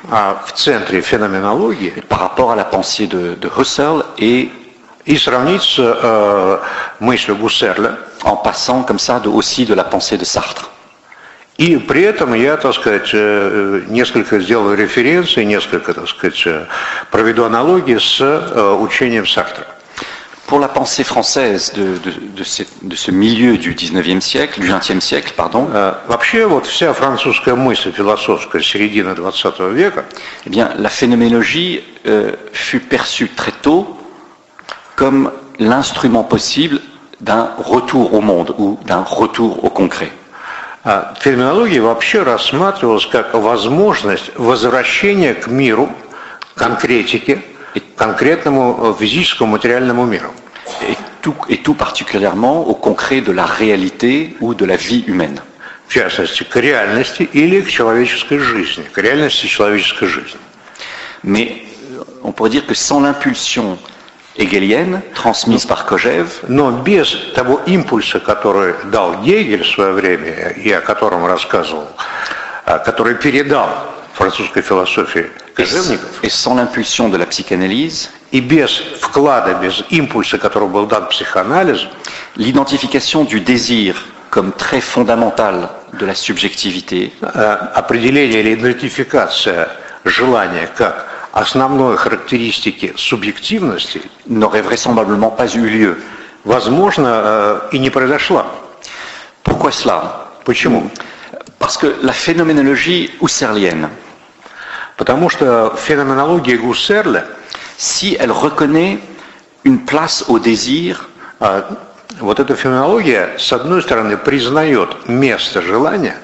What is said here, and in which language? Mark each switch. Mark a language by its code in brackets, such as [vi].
[ru] в центре феноменологии, [fr] par rapport à la pensée de Husserl [ru] и сравнить с мыслью Гуссерля, [fr] en passant comme ça aussi de la pensée de Sartre. [ru] И при этом я, так сказать, несколько сделаю референции, несколько, так сказать, проведу аналогии с учением Сартра. [fr] Pour la pensée française de ce milieu du 19e siècle, du 20e siècle, pardon. [ru] Вообще, вот вся французская мысль философская середины 20 века, [fr] eh bien, la phénoménologie fut perçue très tôt comme l'instrument possible d'un retour au monde ou d'un retour au concret. [ru] Phénoménologie вообще рассматривалась как возможность возвращения к миру, конкретике, конкретному физическому материальному миру. [fr] Et tout particulièrement au concret de la réalité ou de la vie humaine. [ru] В частности, к реальности или к человеческой жизни. К реальности человеческой жизни. [fr] Mais on pourrait dire que sans l'impulsion hegelienne, transmise par Kojève, [ru] но без того импульса, который дал Гегель в свое время, и о котором рассказывал, который передал французской философии Кожевников, [fr] et sans l'impulsion de la psychanalyse, [ru] и без вклада, без импульса, который был дан психоанализу, [fr] l'identification du désir comme très fondamental de la subjectivité, [ru] определение или идентификация желания как основной характеристики субъективности, [fr] n'aurait vraisemblablement pas eu lieu. [ru] Возможно, и не произошла. [fr] pourquoi cela? [ru] Почему? [fr] Parce que la phénoménologie husserlienne. [ru] Потому что феноменология Гуссерля, [fr] si elle reconnaît une place au désir, [ru] вот эта феноменология с одной стороны признает место желания,